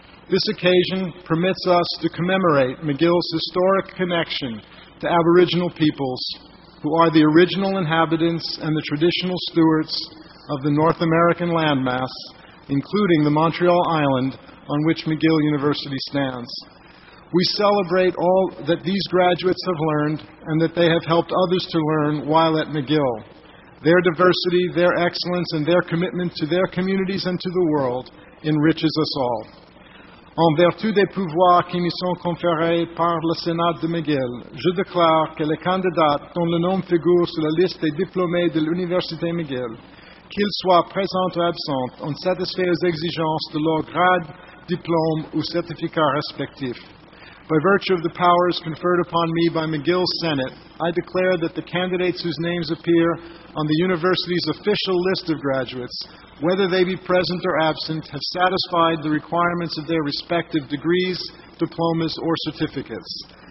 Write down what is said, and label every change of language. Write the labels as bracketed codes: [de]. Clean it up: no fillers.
[en] This occasion permits us to commemorate McGill's historic connection to Aboriginal peoples, who are the original inhabitants and the traditional stewards of the North American landmass, including the Montreal Island on which McGill University stands. We celebrate all that these graduates have learned and that they have helped others to learn while at McGill. Their diversity, their excellence, and their commitment to their communities and to the world enriches us all. [fr] En vertu des pouvoirs qui me sont conférés par le Sénat de McGill, je déclare que les candidats dont le nom figure sur la liste des diplômés de l'Université McGill, qu'ils soient présents ou absents, ont satisfait aux exigences de leur grade, diplôme ou certificat respectif. [en] By virtue of the powers conferred upon me by McGill's Senate, I declare that the candidates whose names appear on the university's official list of graduates, whether they be present or absent, have satisfied the requirements of their respective degrees, diplomas, or certificates.